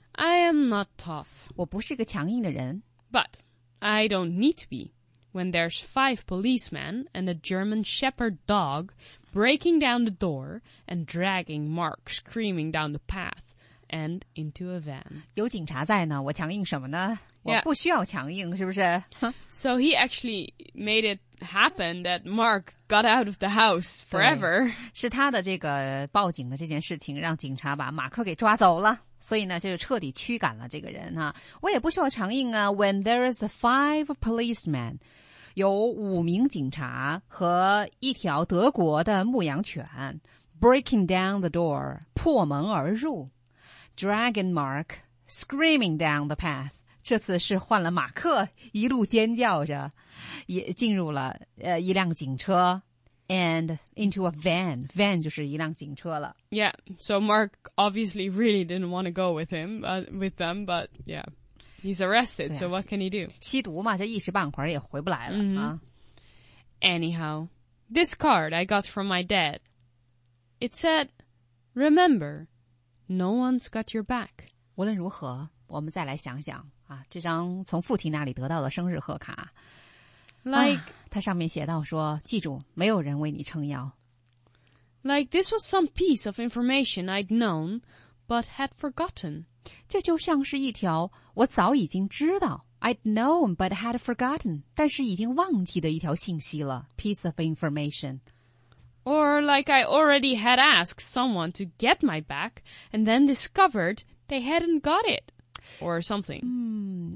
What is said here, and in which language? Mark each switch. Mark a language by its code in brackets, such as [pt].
[en] I am not tough. [zh] 我不是个强硬的人。 [en] But I don't need to be when there's 5 policemen and a German shepherd dog breaking down the door and dragging Mark screaming down the path and into a van. [zh] 有警察在呢，我强硬什么呢？ [en] Yeah. [zh] 我不需要强硬，是不是？ [en] So he actually made it happen that Mark got out of the house forever. [zh] 是他的这个报警的这件事情让警察把马克给抓走了。所以呢，就彻底驱赶了这个人啊！我也不需要强硬啊。 [en] When there is 5 policemen, [zh] 有五名警察和一条德国的牧羊犬 [en] breaking down the door, [zh] 破门而入 [en] dragging Mark, screaming down the path, [zh] 这次是换了马克，一路尖叫着，也进入了一辆警车 [en] and into a van, [zh] van 就是一辆警车了。 [en] Yeah, so Mark obviously really didn't want to go with him, with them, but yeah, he's arrested, so what can he do? [zh] 吸毒嘛，这一时半会儿也回不来了、 mm-hmm. 啊。 [en] Anyhow, this card I got from my dad, it said, remember, no one's got your back. [zh] 无论如何，我们再来想想啊，这张从父亲那里得到的生日贺卡。 [en] Like, [zh] 它上面写到说，记住，没有人为你撑腰。 [en] Like, this was some piece of information I'd known, but had forgotten. [zh] 这就像是一条我早已经知道 [en] I'd known, but had forgotten, [zh] 但是已经忘记的一条信息了 [en] piece of information. Or like I already had asked someone to get my back, and then discovered they hadn't got it, or something.